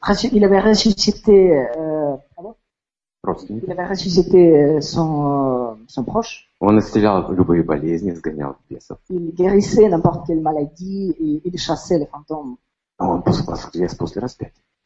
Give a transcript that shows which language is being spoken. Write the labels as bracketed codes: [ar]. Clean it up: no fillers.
[fr] Il avait ressuscité, son proche. [ru] Он исцелял любые болезни, изгонял бесов. [fr] Il guérissait n'importe quelle maladie et il chassait les fantômes. [ru] Он воскрес после распятия.